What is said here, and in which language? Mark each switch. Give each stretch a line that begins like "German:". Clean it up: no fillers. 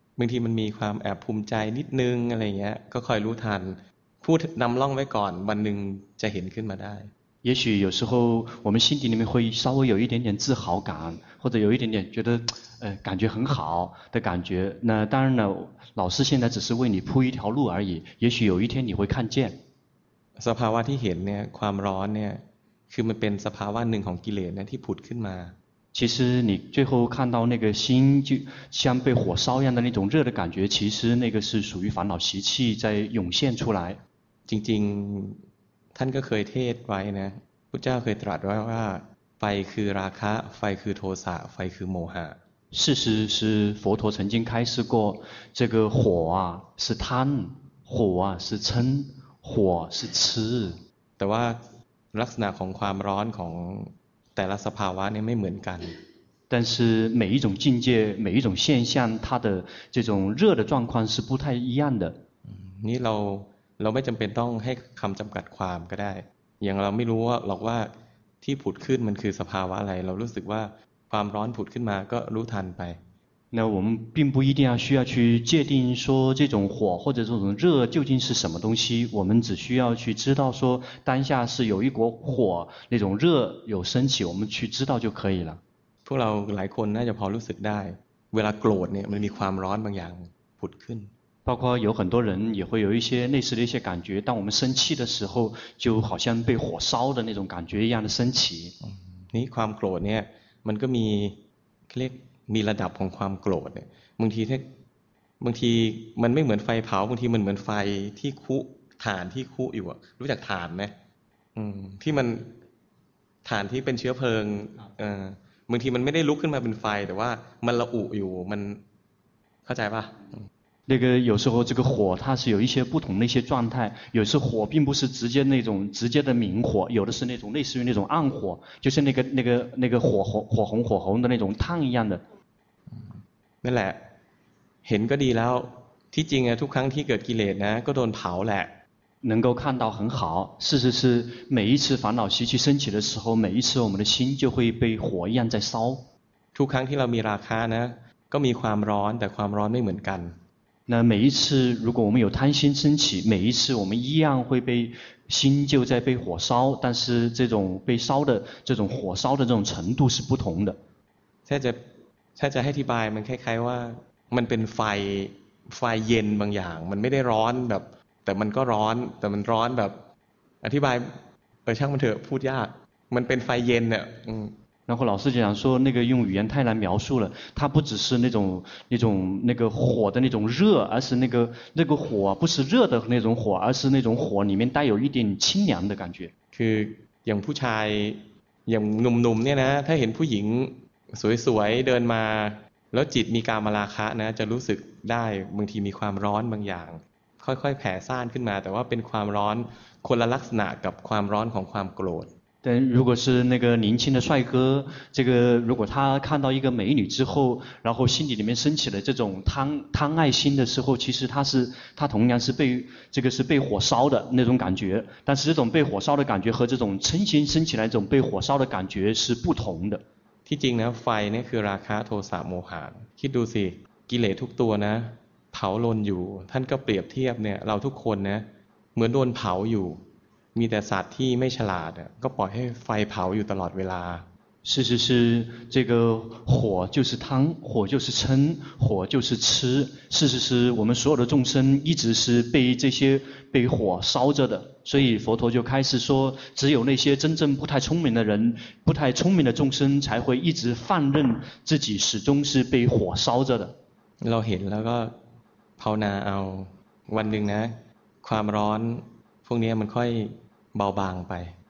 Thai: บางทีมันมีความแอบภูมิใจนิดนึงอะไรเงี้ยก็คอยรู้ทันพูดนำล่องไว้ก่อนวันหนึ่งจะเห็นขึ้นมาได้
Chinese: 也许有时候我们心底里面会稍微有一点点自豪感或者有一点点觉得感觉很好的感觉那当然了老师现在只是为你铺一条路而已也许有一天你会看见
Thai: สภาวะที่เห็นเนี่ยความร้อนเนี่ยคือมันเป็นสภาวะหนึ่งของกิเลสเนี่ยที่ผุดขึ้นมา
Chinese: 其实你最后看到那个心就像被火烧一样的那种热的感觉其实那个是属于烦恼习气在涌现出来
Thai: จริงๆท่านก็เคยเทศไว้นะพุทธเจ้าเคยตรัสไว้ว่าไฟคือราคะไฟคือโทสะไฟคือโมหะ
Chinese: 事实是佛陀曾经开示过这个火啊是贪火啊是嗔火是痴
Thai: แต่ว่าลักษณะของความร้อนของแต่ละสภาวะนี่ไม่เหมือนกัน
Chinese: 但是每一种境界每一种现象它的这种热的状况是不太一样的
Thai: นี่เราไม่จำเป็นต้องให้คำจำกัดความก็ได้อย่างเราไม่รู้ว่าหรอกว่าที่ผุดขึ้นมันคือสภาวะอะไรเรารู้สึกว่าความร้อนผุดขึ้นมาก็รู้ทันไป
Chinese: 那我们并不一定要需要去界定说这种火或者这种热究竟是什么东西我们只需要去知道说当下是有一股火那种热有升起我们去知道就可以了
Thai: พวกเราหลายคนน่าจะพอรู้สึกได้เวลาโกรธเนี่ยมันมีความร้อนบางอย่างผุดขึ้น
Chinese: 包括有很多人也会有一些类似的一些感觉当我们生气的时候就好像被火烧的那种感觉一样的升起
Thai: นี่ความโกรธเนี่ยมันก็มีเรียกมีระดับของความโกรธเนี่ยบางทีมันไม่เหมือนไฟเผาบางทีมันเหมือนไฟที่คุฐานที่คุอยู่อ่ะรู้จักฐานไหมที่มันฐานที่เป็นเชื้อเพลิงบางทีมันไม่ได้ลุกขึ้นมาเป็นไฟแต่ว่ามันระอุอยู่มันเข้าใจป่ะ
Chinese: 那个有时候这个火它是有一些不同的一些状态有时火并不是直接那种直接的明火有的是那种类似于那种暗火就是那个火红的那种烫一样的
Thai: นั่นแหละเห็นก็ดีแล้วที่จริงอะทุกครั้งที่เกิดกิเลสนะก็โดนเผาแหละ
Chinese: 能够看到很好事实是每一次烦恼习气升起的时候每一次我们的心就会被火一样在烧
Thai: ทุกครั้งที่เรามีราคะนะก็มีความร้อนแต่ความร้อนไม่เหมือนกัน
Chinese: 那每一次如果我们有贪心升起每一次我们一样会被心就在被火烧但是这种被烧的这种火烧的这种程度是不同的
Thai: ถ้าจะให้อธิบายมันคล้ายๆว่ามันเป็นไฟเย็นบางอย่างมันไม่ได้ร้อนแบบแต่มันก็ร้อนแต่มันร้อนแบบอธิบายช่างมันเถอะพูดยากมันเป็นไฟเย็นเนี่ย
Chinese: 然后老师就想说那个用语言太难描述了它不只是那种那个火的那种热而是那个火不是热的那种火而是那种火里面带有一点清凉的感觉
Thai: คืออย่างผู้ชายอย่างหนุ่มๆเนี่ยนะถ้าเห็นผู้หญิงสวยๆเดินมาแล้วจิตมีกามราคะนะจะรู้สึกได้บางทีมีความร้อนบางอย่างค่อยๆแผ่ซ่านขึ้นมาแต่ว่าเป็นความร้อนคนละลักษณะกับความร้อนของความโกรธ
Chinese: 但如果是那个年轻的帅哥这个如果他看到一个美女之后然后心里面升起了这种贪爱心的时候其实他同样是被这个是被火烧的那种感觉但是这种被火烧的感觉和这种嗔心升起来这种被火烧的感觉是不同的
Thai: ที่จริงนะไฟนี่คือราคะโทสะโมหะคิดดูสิกิเลสทุกตัวนะเผาลนอยู่ท่านก็เปรียบเทียบเนี่ยเราทุกคนนะเหมือนโดนเผาอยู่มีแต่สัตว์ที่ไม่ฉลาดก็ปล่อยให้ไฟเผาอยู่ตลอดเวลา
Chinese: 是是是，这个火就是贪，火就是嗔，火就是痴。是是是，我们所有的众生一直是被这些被火烧着的，所以佛陀就开始说，只有那些真正不太聪明的人，不太聪明的众生才会一直放任自己始终是被火烧着的。
Thai: เราเห็นแล้วก็ภาวนาเอาวันหนึ่งนะความร้อนพวกนี้มันค่อยเบาบางไป